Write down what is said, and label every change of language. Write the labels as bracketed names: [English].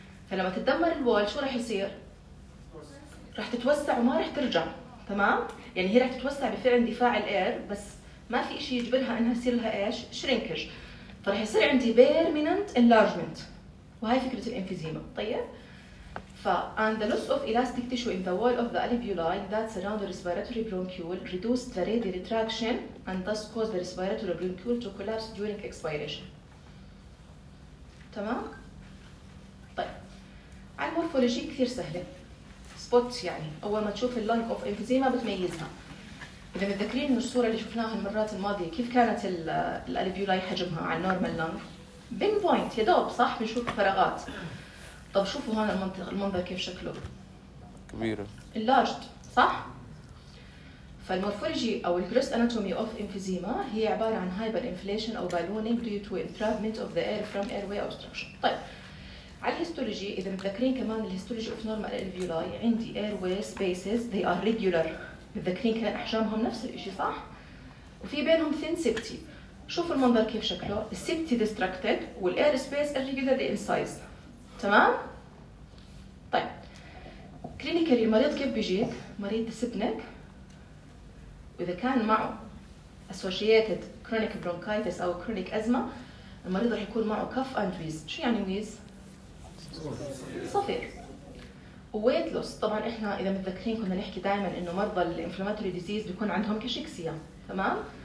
[Arabic] فلما تتدمر الوول شو راح يصير؟ راح تتوسع وما راح ترجع. تمام. يعني هي راح تتوسع بفعل دفاع الاير بس ما في شيء يجبرها انها تصير لها ايش؟ شرينكج. فراح يصير عندي بيرمننت انلارجمنت وهي فكره الانفيزيما. [English] طيب ف and the loss of elastic tissue in the wall of the alveoli that surround the respiratory bronchiole reduced the rate of retraction and thus caused the respiratory bronchiole to collapse during expiration. [Arabic] تمام. طيب على المورفولوجي كثير سهله سبوت، يعني اول ما تشوف اللنج اوف انفيزيما بتميزها. إذا متذكرين من الصورة اللي شفناها المرات الماضية كيف كانت الالفيولاي حجمها على النورمال لونج؟ بين بوينت يدوب صح؟ بنشوف فراغات. طب شوفوا هون المنظر كيف شكله؟ كبيرة اللارجد صح؟ فالمورفولوجي أو الكروس أناتومي أوف إنفيزيما هي عبارة عن هايبر إنفليشن أو بالونينج [English] due to entrapment of the air from airway obstruction. [Arabic] طيب على الهيستولوجي إذا متذكرين كمان الهيستولوجي أوف نورمال الالفيولاي عندي airway spaces [English] they are regular. [Arabic] متذكرين كان احجامهم نفس الاشي صح؟ وفي بينهم thin septi. شوف المنظر كيف شكله، [English] septi distracted والair space irregular in size. [Arabic] تمام؟ طيب كلينيكالي المريض كيف بيجيك؟ مريض dyspneic واذا كان معه associated chronic bronchitis او chronic asthma المريض رح يكون معه [English] cough and wheeze. [Arabic] شو يعني wheeze؟ صفير. ويت لوس طبعا احنا اذا متذكرين كنا نحكي دائما انه مرضى الانفلاماتوري ديزيز بيكون عندهم كاشيكسيا. تمام.